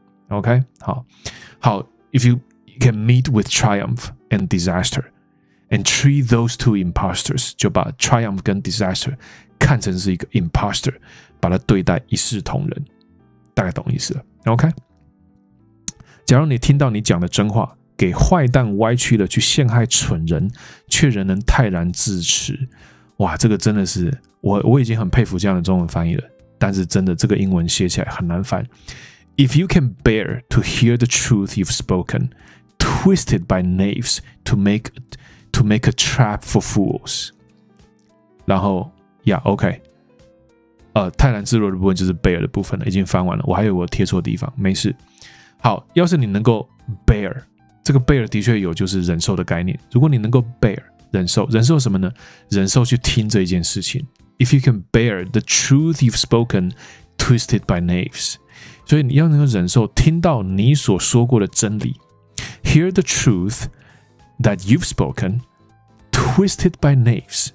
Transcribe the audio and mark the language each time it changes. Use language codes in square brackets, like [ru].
[zh] OK， 好，好 ， if you can meet with triumph and disaster and treat those two imposters，就把 triumph 跟 disaster 看成是一个 imposter， 把它对待一视同仁，大概懂意思了。 OK， 假如你听到你讲的真话。给坏蛋歪曲的去陷害蠢人，却仍能泰然自持。哇，这个真的是 我已经很佩服这样的中文翻译了。但是真的，这个英文写起来很难翻。 [en] If you can bear to hear the truth you've spoken, twisted by knaves to make a trap for fools. [zh] 然后 ，Yeah, OK。泰然自若的部分就是 bear 的部分了，已经翻完了。我还有我贴错地方，没事。好，要是你能够 bear。这个 bear 的确有就是忍受的概念如果你能够 bear 忍受什么呢忍受去听这一件事情 If you can bear the truth you've spoken twisted by knaves 所以你要能够忍受听到你所说过的真理。 [en] Hear the truth that you've spoken, twisted by knaves.